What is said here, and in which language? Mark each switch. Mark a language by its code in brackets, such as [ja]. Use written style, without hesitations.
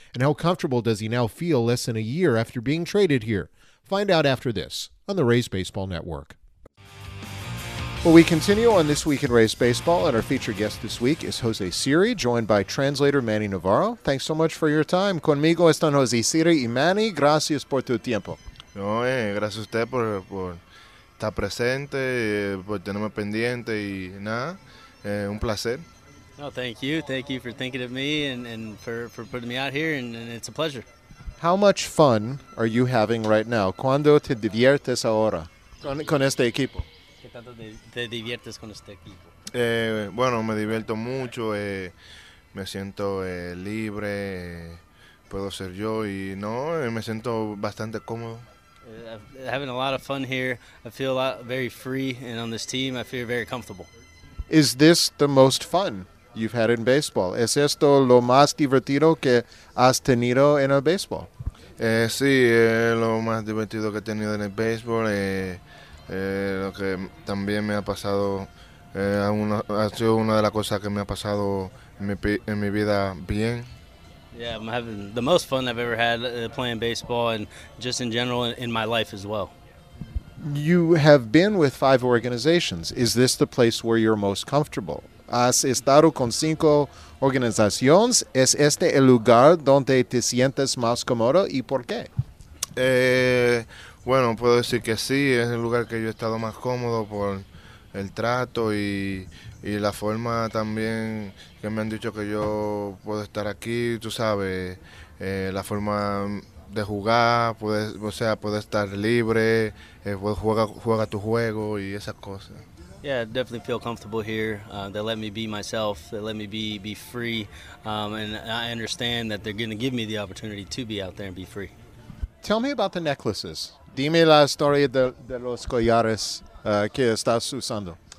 [en] And how comfortable does he now feel less than a year after being traded here? Find out after this on the Rays Baseball Network. Well, we continue on This Week in Rays Baseball, and our featured guest this week is Jose Siri, joined by translator Manny Navarro. Thanks so much for your time. [es] Conmigo están Jose Siri y Manny. Gracias por tu tiempo. No, gracias a usted por estar presente, por tenerme pendiente y nada. Un placer. [en] Oh, thank you. Thank you for thinking of me and for putting me out here, and it's a pleasure. How much fun are you having right now? [es] ¿Cuándo te diviertes ahora con este equipo? ¿Qué tanto te diviertes con este equipo? Bueno, me divierto mucho. Me siento libre. Puedo ser yo y no, me siento bastante cómodo. [en] Having a lot of fun here. I feel a lot very free, and on this team, I feel very comfortable. Is this the most fun you've had in baseball? [es] ¿Es esto lo más divertido que has tenido en el baseball? Sí, lo más divertido que he tenido en el baseball. Lo que también me ha pasado, ha sido una de las cosas que me ha pasado en mi vida bien. [en] Yeah, I'm having the most fun I've ever had playing baseball and just in general in my life as well. You have been with 5 organizations. Is this the place where you're most comfortable? [es] ¿Has estado con 5 organizaciones? ¿Es este el lugar donde te sientes más cómodo y por qué? Bueno, puedo decir que sí. Es el lugar que yo he estado más cómodo por el trato y la forma también que me han dicho que yo puedo estar aquí. Tú sabes, la forma de jugar, puede estar libre, juega tu juego y esas cosas. [en] Yeah, I definitely feel comfortable here. They let me be myself. They let me be free. And I understand that they're going to give me the opportunity to be out there and be free. Tell me about the necklaces. [es] Dime la historia de los collares que estás usando.